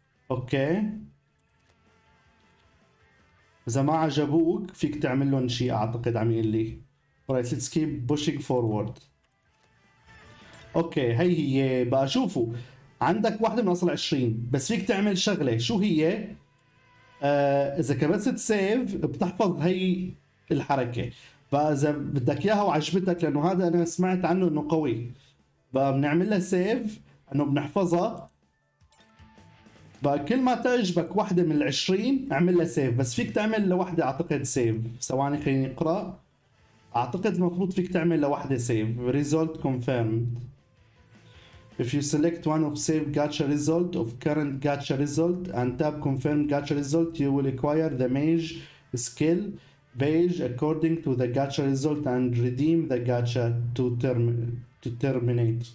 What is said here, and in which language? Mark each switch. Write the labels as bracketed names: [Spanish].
[Arabic] أوكي إذا ما عجبوك فيك تعمل لهم شيء أعتقد عم يقول لي. [English] Right, let's keep pushing forward. [Arabic] أوكي هي هي بقى شوفوا، عندك واحدة من أصل 20 بس فيك تعمل شغلة. شو هي؟ إذا كبست سيف بتحفظ هي الحركة. فإذا بدك إياها وعجبتك، لأنه هذا أنا سمعت عنه إنه قوي، بقى بنعمل لها سيف إنه بنحفظها. بقى كل ما تعجبك واحدة من العشرين اعمل لها سيف، بس فيك تعمل لوحدة اعتقد سيف. ثواني خليني اقرا، اعتقد المفروض فيك تعمل لوحدة سيف. [English] Result confirmed. If you select one of save gacha result of current gacha result and tap confirm gacha result, you will acquire the mage skill beige according to the gacha result and redeem the gacha to terminate.